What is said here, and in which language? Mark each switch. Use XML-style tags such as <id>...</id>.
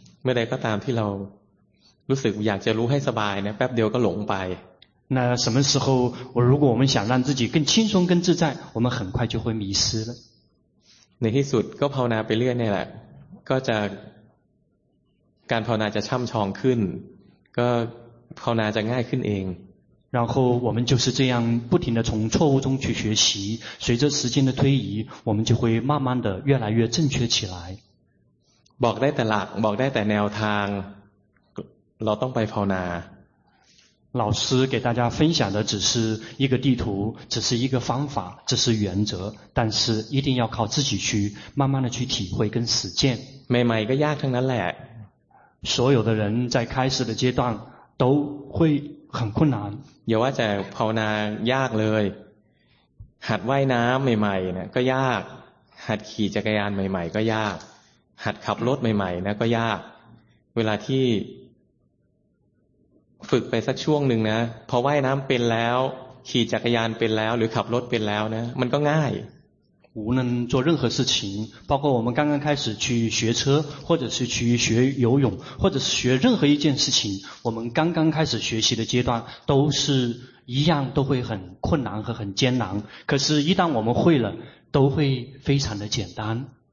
<th>เมื่อใดก็ตามที่เรารู้สึกอยากจะรู้ให้สบายนะแป๊บเดียวก็หลงไป</th> <zh>那什么时候我如果我们想让自己更轻松更自在我们很快就会迷失了</zh> <th>ในที่สุดก็ภาวนาไปเรื่อยเนี่ยแหละก็จะการภาวนาจะช่ำชองขึ้นก็ภาวนาจะง่ายขึ้นเอง</th> <zh>然后我们就是这样不停地从错误中去学习随着时间的推移我们就会慢慢地越来越正确起来</zh> <th>บอกได้แต่หลักบอกได้แต่แนวทางเราต้องไปภาวนา</th> <zh>老师给大家分享的只是一个地图只是一个方法只是原则但是一定要靠自己去慢慢地去体会跟实践每每一个样程的来所有的人在开始的阶段都会很困难</zh> <th>อย่าว่าแต่ภาวนายากเลยหัดว่ายน้ำใหม่ๆนะก็ยากหัดขี่จักรยานใหม่ๆก็ยากหัดขับรถใหม่ๆนะก็ยากเวลาที่ฝึกไปสักช่วงหนึ่งนะพอว่ายน้ำเป็นแล้วขี่จักรยานเป็นแล้วหรือขับรถเป็นแล้วนะมันก็ง่าย</th> <zh>无论做任何事情包括我们刚刚开始去学车或者是去学游泳或者是学任何一件事情我们刚刚开始学习的阶段都是一样都会很困难和很艰难可是一旦我们会了都会非常的简单</zh>